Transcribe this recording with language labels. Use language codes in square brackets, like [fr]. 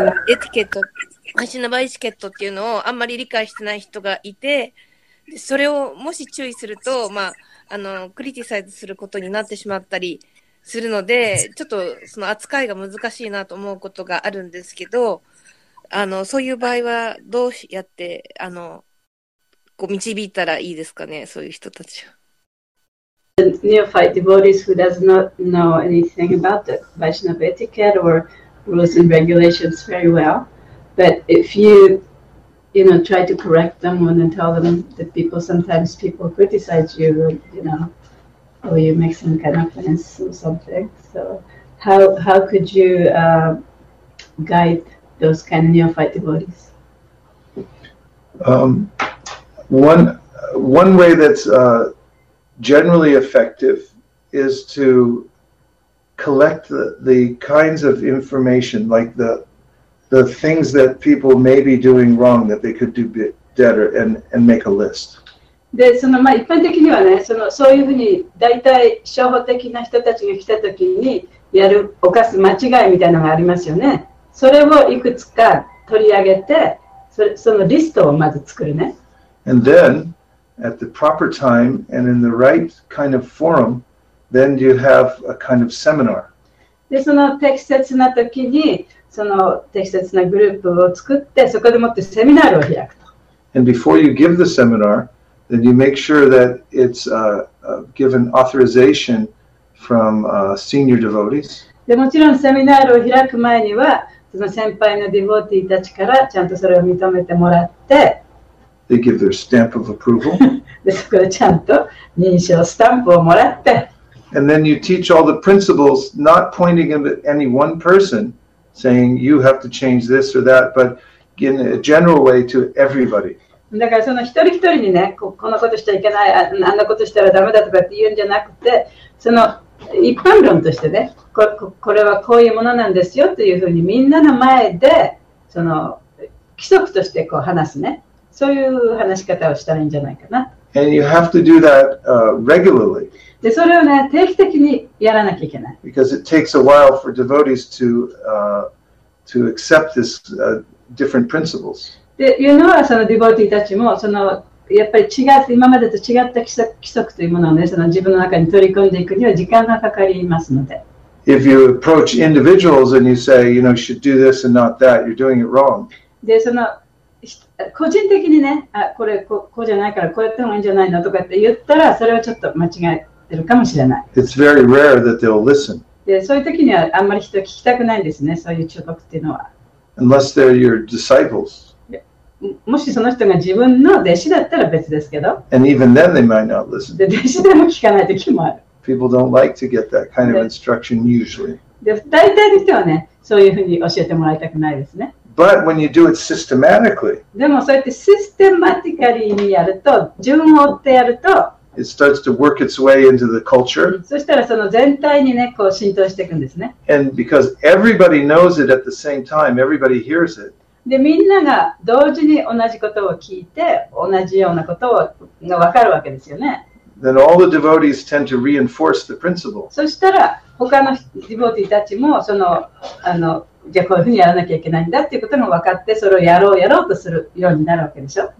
[ja] エティケットアシナバイチケットっていうのをあんまり理解してない人がいて、でそれをもし注意すると、まあ、クリティサイズすることになってしまったりするので、ちょっとその扱いが難しいなと思うことがあるんですけど、そういう場合はどうやってこう導いたらいいですかね、そういう人たちは。 [en] Neophyte devotees who does not know anything about the Vaishnava etiquette or rules and regulations very well, but if you try to correct them and tell them that sometimes people criticize you, or you make some kind of offense or something. So how could you guide those kind of neophyte devotees? One way that's generally effective is to collect the kinds of information, like the things that people may be doing wrong that they could do better, and make a list. [ja] で、一般的にはね、そういうふうに大体初歩的な人たちが来た時にやる犯す間違いみたいなのがありますよね。それをいくつか取り上げて、そのリストをまず作るね。 [en] And then, at the proper time and in the right kind of forum, then you have a kind of seminar. [ja] で、その適切な時に、その適切なグループを作って、そこでもってセミナーを開くと。 [en] And before you give the seminar, then you make sure that it's given authorization from senior devotees. [ja] で、もちろんセミナーを開く前には、その先輩のディボーティーたちからちゃんとそれを認めてもらって、 [en] They give their stamp of approval. [ja] で、そこでちゃんと認証スタンプをもらって、 [en] And then you teach all the principles, not pointing them at any one person, saying you have to change this or that, but in a general way to everybody. [ja] だからその一人一人にね、このことしちゃいけない、あんなことしたらダメだとかって言うんじゃなくて、その一般論としてね、これはこういうものなんですよというふうにみんなの前で、その規則としてこう話すね、そういう話し方をしたらいいんじゃないかな。 [en] And you have to do that regularly. [ja] で、それをね、定期的にやらなきゃいけない。 [en] Because it takes a while for devotees to accept this different principles. [ja] で、いうのはそのディボーティーたちも、そのやっぱり違って、今までと違った規則というものをね、その自分の中に取り込んでいくには時間がかかりますので。 [en] If you approach individuals and you say, you know, you should do this and not that, you're doing it wrong. [ja] で、その個人的にね、あ、これこうじゃないからこうやってもいいんじゃないのとかって言ったら、それはちょっと間違えてるかもしれない。 [en] It's very rare that they'll listen. [ja] で、そういう時にはあんまり人聞きたくないんですね、そういう忠告っていうのは。 [en] Unless they're your disciples. [ja] もしその人が自分の弟子だったら別ですけど。 [en] And even then they might not listen. [ja] で、弟子でも聞かない時もある。 [en] People don't like to get that kind of instruction usually. [ja] で、大体の人はね、そういうふうに教えてもらいたくないですね。 [en] But when you do it systematically, [ja] でもそうやってシステマティカリーにやると、順を追ってやると、 [en] it starts to work its way into the culture. [ja] そしたらその全体にね、こう浸透していくんですね。 [en] And because everybody knows it at the same time, everybody hears it. [ja] で、みんなが同時に同じことを聞いて、同じようなことが分かるわけですよね。 [en] Then all the devotees tend to reinforce the principle. [ja] そしたら他のディボーティーたちもその、あの、じゃあこういうふうにやらなきゃいけないんだっていうことも分かって、それをやろうとするようになるわけでしょ。